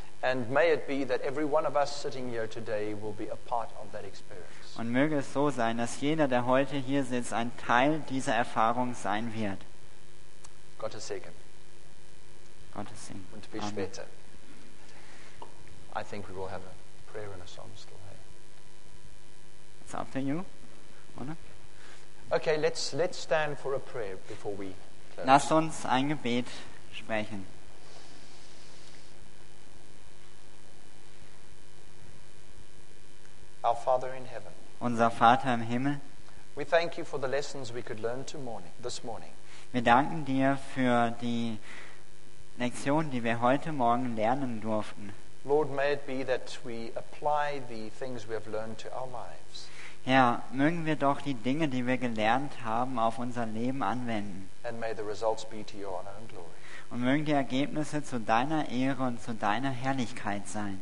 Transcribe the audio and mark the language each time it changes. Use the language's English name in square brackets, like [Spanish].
[English] And may it be that every one of us sitting here today will be a part of that experience. [German] Und möge es so sein, dass jeder, der heute hier sitzt, ein Teil dieser Erfahrung sein wird. Gottes Segen. Gottes Segen. Und bis später. [English] I think we will have a prayer and a song still. Hey? It's up to you, oder? Okay, let's stand for a prayer before we close. [German] Lass uns ein Gebet sprechen. [English] Our Father in heaven. [German] Unser Vater im Himmel. [English] We thank you for the lessons we could learn this morning. [German] Wir danken dir für die Lektionen, die wir heute Morgen lernen durften. [English] Lord, may it be that we apply the things we have learned to our lives. [German] Herr, mögen wir doch die Dinge, die wir gelernt haben, auf unser Leben anwenden. [English] And may the results be to your honor and glory. [German] Und mögen die Ergebnisse zu deiner Ehre und zu deiner Herrlichkeit sein.